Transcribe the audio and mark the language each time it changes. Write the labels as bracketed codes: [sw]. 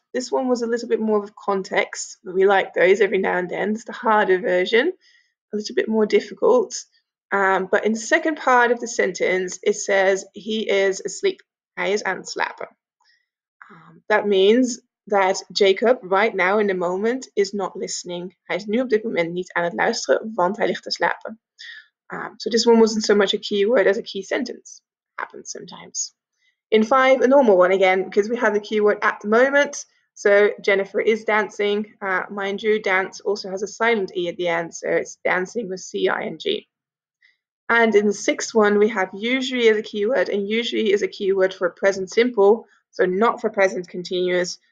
[en] This one was a little bit more of context. We like those every now and then. It's the harder version, a little bit more difficult. But in the second part of the sentence, it says he is asleep. [nl] Hij is aan het slapen. [en] That means that Jacob right now in the moment is not listening. [nl] Hij is nu op dit moment niet aan het luisteren, want hij ligt te slapen. [en] So this one wasn't so much a keyword as a key sentence. Happens sometimes. In five, a normal one again, because we have the keyword at the moment. So Jennifer is dancing. Mind you, dance also has a silent E at the end, so it's dancing with C-I-N-G. And in the sixth one, we have usually as a keyword, and usually is a keyword for present simple, so not for present continuous.